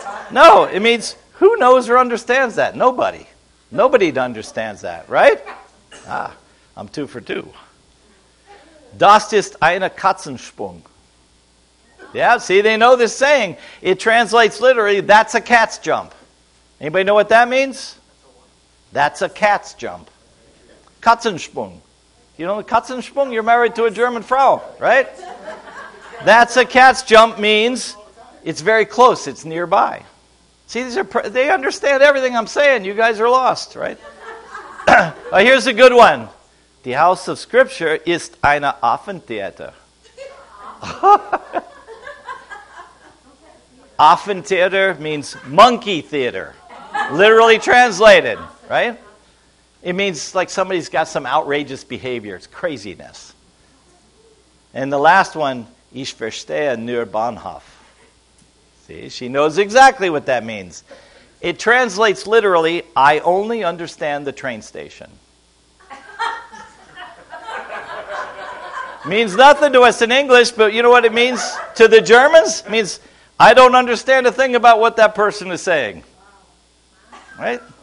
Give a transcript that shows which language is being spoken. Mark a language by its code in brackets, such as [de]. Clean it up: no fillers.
[en] No, it means who knows or understands that? Nobody. Nobody understands that, right? Ah, I'm two for two. [de] Das ist eine Katzensprung. [en] Yeah, see, they know this saying. It translates literally, that's a cat's jump. Anybody know what that means? That's a cat's jump. Katzensprung. You know the Katzensprung? You're married to a German Frau, right? That's a cat's jump means it's very close. It's nearby. See, these are they understand everything I'm saying. You guys are lost, right? Well, here's a good one. The house of Scripture [de] ist eine Affentheater. [en] Affentheater means monkey theater. Literally translated, right? It means like somebody's got some outrageous behavior. It's craziness. And the last one, [de] ich verstehe nur Bahnhof. [en] See, she knows exactly what that means. It translates literally, I only understand the train station. Means nothing to us in English, but you know what it means to the Germans? It means, I don't understand a thing about what that person is saying. Right?